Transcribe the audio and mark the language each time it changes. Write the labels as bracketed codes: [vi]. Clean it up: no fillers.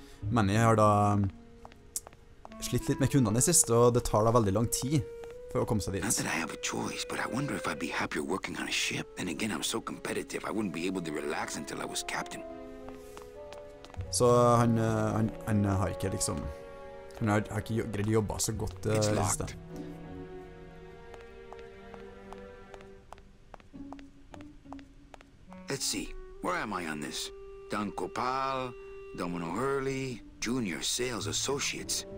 [no] Manny har da slitt litt med kundene sist, og det tar da veldig lang tid for å komme seg dit. [en] Not that I have a choice, but I wonder if I'd be happier working on a ship. And again, I'm so competitive, I wouldn't be able to relax until I was captain. [no] Så han har ikke liksom, han har ikke greid å jobbe så godt i sted. [en] It's locked. Let's see, where am I on this? Don Copal, Domino Hurley, Junior Sales Associates.